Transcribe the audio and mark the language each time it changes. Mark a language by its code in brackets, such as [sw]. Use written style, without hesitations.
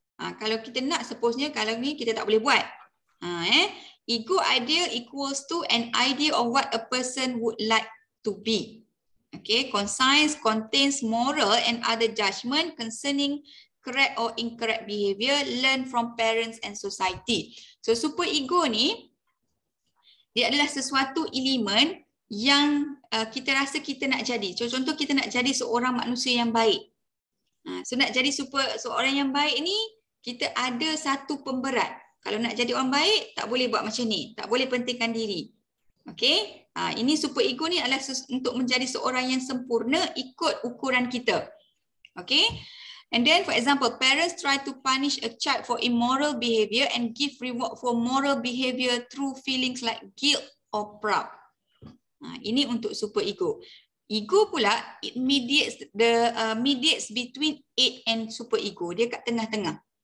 [ms] Kalau kita nak, supposednya kalau ni kita tak boleh buat. [en] Ego ideal equals to an idea of what a person would like to be. Okay, conscience contains moral and other judgment concerning correct or incorrect behavior learned from parents and society. [ms] So super ego ni, dia adalah sesuatu elemen yang kita rasa kita nak jadi. Contoh kita nak jadi seorang manusia yang baik. So nak jadi super seorang yang baik ni, kita ada satu pemberat. Kalau nak jadi orang baik, tak boleh buat macam ni. Tak boleh pentingkan diri. Okay, ini super ego ni adalah untuk menjadi seorang yang sempurna ikut ukuran kita. [en] Okay, and then for example, parents try to punish a child for immoral behavior and give reward for moral behavior through feelings like guilt or proud. [ms] Ini untuk super ego. Ego pula, [en] it mediates mediates between it and super ego. [ms] Dia kat tengah-tengah.